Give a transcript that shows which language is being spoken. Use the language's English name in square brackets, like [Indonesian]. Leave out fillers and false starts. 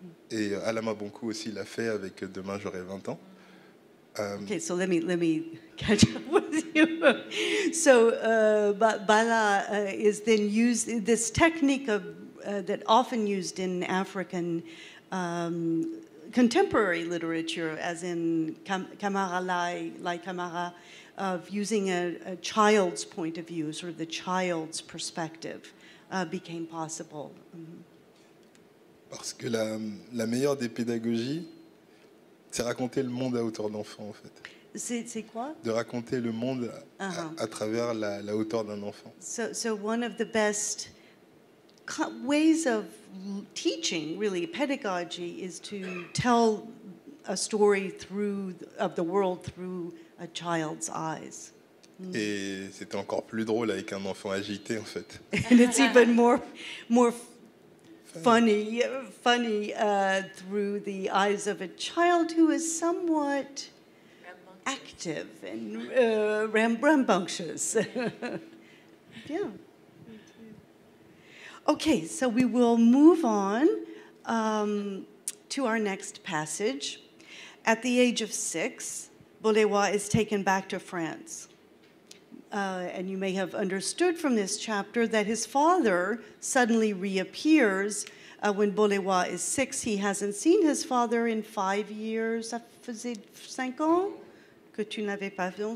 [French] Et Alama Bonkou aussi l'a fait avec Demain j'aurai 20 ans. [English] Okay, so let me catch up with you. So Bala is then used this technique of that often used in African contemporary literature, as in Camara Lai Camara, of using a child's point of view, sort of the child's perspective, became possible. [French] Parce que la meilleure des pédagogies, c'est raconter le monde à hauteur d'enfant, en fait. C'est quoi? De raconter le monde à travers la hauteur d'un enfant. [English] So one of the best ways of teaching, really, pedagogy, is to tell a story of the world through a child's eyes. Et c'était encore plus drôle avec un enfant agité, en fait. And it's even more funny through the eyes of a child who is somewhat active and rambunctious. Yeah. Okay, so we will move on to our next passage. At the age of 6, Bolewa is taken back to France. And you may have understood from this chapter that his father suddenly reappears when Bolewa is 6. He hasn't seen his father in 5 years. [French] Ça faisait 5 ans que tu n'avais pas vu.